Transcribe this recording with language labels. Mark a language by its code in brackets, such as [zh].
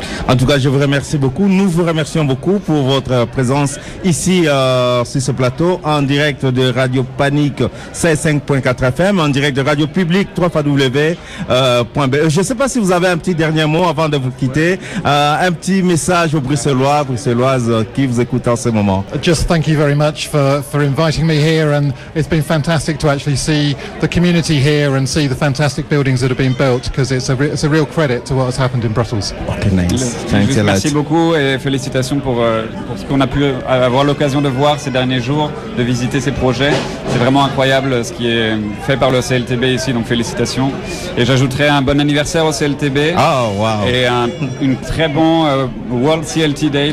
[fr] En tout cas, je vous remercie beaucoup. Nous vous remercions beaucoup pour votre présence ici sur ce plateau, en direct de Radio Panique 105.4 FM, en direct de Radio Public 3fw.be. Je ne sais pas si vous avez un petit dernier mot avant de vous quitter, un petit message aux Bruxellois, Bruxelloises qui vous écoutent en ce moment. [en] Just thank you very much for inviting me here, and it's been fantastic to actually see the community here and see the fantastic buildings that have been built, because it's a real credit to what has happened in Brussels. Okay, nice. [fr] Merci beaucoup et félicitations pour ce qu'on a pu avoir l'occasion de voir ces derniers jours, de visiter ces projets. C'est vraiment incroyable ce qui est fait par le CLTB ici, donc félicitations. Et j'ajouterai un bon anniversaire au CLTB. [en] Oh, wow. [fr] Et une très bon World CLT Day.